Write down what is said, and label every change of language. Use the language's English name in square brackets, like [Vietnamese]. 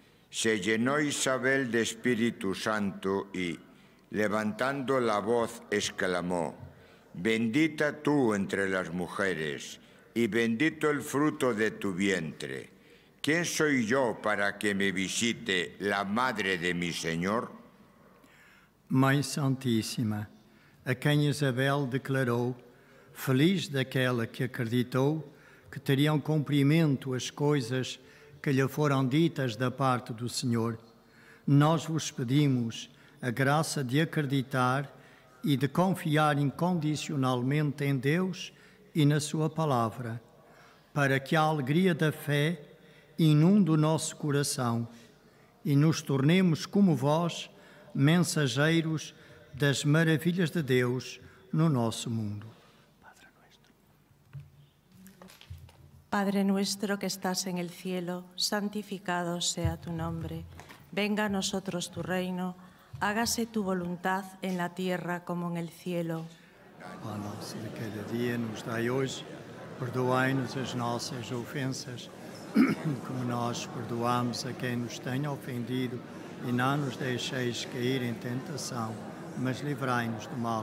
[Spanish] Se llenó Isabel de Espíritu Santo y, levantando la voz, exclamó: «Bendita tú entre las mujeres, y bendito el fruto de tu vientre. ¿Quién soy yo para que me visite la madre de mi Señor?» [Portuguese] Mãe Santíssima, a quem Isabel declarou, feliz daquela que acreditou que teriam cumprimento as coisas que lhe foram ditas da parte do Senhor, nós vos pedimos a graça de acreditar e de confiar incondicionalmente em Deus e na sua palavra, para que a alegria da fé inunde o nosso coração e nos tornemos como vós, mensageiros das maravilhas de Deus no nosso mundo. [Spanish] Padre nuestro. Padre nuestro que estás en el cielo, santificado sea tu nombre. Venga a nosotros tu reino. Hágase tu voluntad en la tierra como en el cielo. [Portuguese] Pão nosso de cada dia nos dai hoje. Perdoai-nos as nossas ofensas, como nós perdoamos a quem nos tenha ofendido. E não nos deixeis cair em tentação, mas livrai-nos do mal.